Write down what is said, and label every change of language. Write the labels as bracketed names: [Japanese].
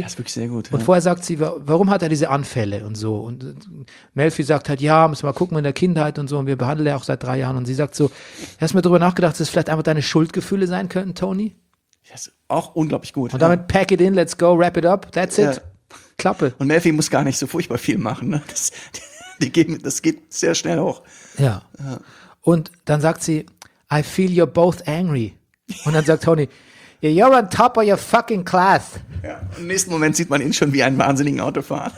[German] das ist wirklich sehr gut, ja. Und vorher sagt sie, warum hat er diese Anfälle und so? Und Melfi sagt halt, ja, müssen wir mal gucken in der Kindheit und so, und wir behandeln ja auch seit 3 Jahren. Und sie sagt so, hast du mir darüber nachgedacht, dass es vielleicht einfach deine Schuldgefühle sein könnten, Toni? Das ist auch unglaublich gut. Und damit [English] pack it in, let's go, wrap it up, that's it. [German] Ja. Klappe. Und Melfi muss gar nicht so furchtbar viel machen. Ne? Das geht sehr schnell hoch. Ja. Und dann sagt sie, [English] I feel you're both angry. [German] Und dann sagt [English] Tony, you're on top of your fucking class. [German] Ja. Und im nächsten Moment sieht man ihn schon wie einen wahnsinnigen Autofahrer.